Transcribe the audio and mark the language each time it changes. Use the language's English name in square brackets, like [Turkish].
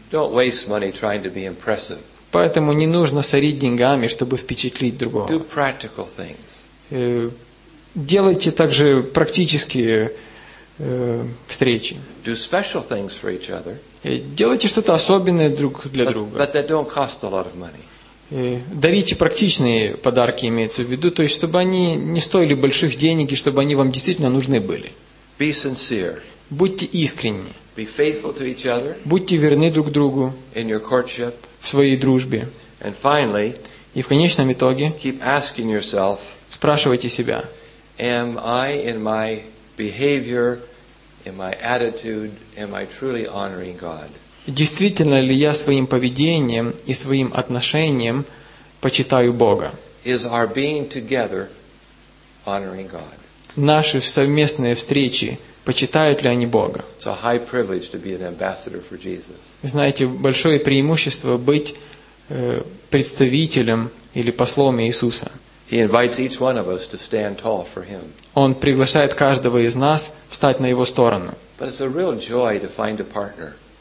[English] Don't waste money trying to be impressive. [Russian] Поэтому не нужно сорить деньгами, чтобы впечатлить другого. [English] Do practical things. [Russian] Делайте также практические встречи. [English] Do special things for each other. [Russian] Делайте что-то особенное друг для друга. [English] But that don't cost a lot of money. [Russian] Дарите практичные подарки, имеется в виду, то есть чтобы они не стоили больших денег и чтобы они вам действительно нужны были. [English] Be sincere. [Russian] Будьте искренни. [English] Be faithful to each other. [Russian] Будьте верны друг другу. [English] In your courtship. [Russian] В своей дружбе. [English] And finally. [Russian] И в конечном итоге. [English] Keep asking yourself. [Russian] Спрашивайте себя. [English] Am I in my behavior, in my attitude, am I truly honoring God? [Russian] Действительно ли я своим поведением и своим отношением почитаю Бога? [English] Is our being together honoring God? [Russian] Наши совместные встречи почитают ли они Бога? [English] It's a high privilege to be an ambassador for Jesus. [Russian] Знаете, большое преимущество быть представителем или послом Иисуса. [English] He invites each one of us to stand tall for Him. [Russian] Он приглашает каждого из нас встать на Его сторону. [English] But it's a real joy to find a partner.